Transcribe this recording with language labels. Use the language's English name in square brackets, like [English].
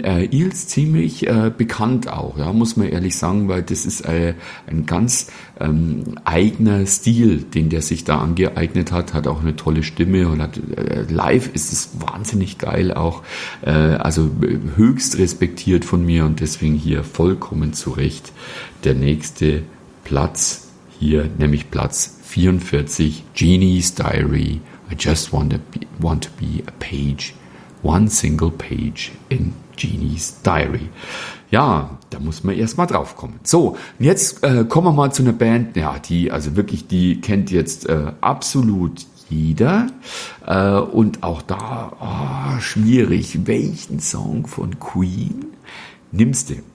[German] Eels ziemlich bekannt auch, ja, muss man ehrlich sagen, weil das ist ein ganz eigener Stil, den der sich da angeeignet hat, hat auch eine tolle Stimme und hat, live ist es wahnsinnig geil auch, also höchst respektiert von mir und deswegen hier vollkommen zu Recht der nächste Platz. Hier nämlich Platz 44, Jeannie's Diary. [English] I just want to be a page, one single page in Jeannie's Diary. [German] Ja, da muss man erstmal drauf kommen. So, jetzt kommen wir mal zu einer Band, ja, die, also wirklich, die kennt jetzt absolut jeder. Und auch da, oh, schwierig, welchen Song von Queen nimmst du?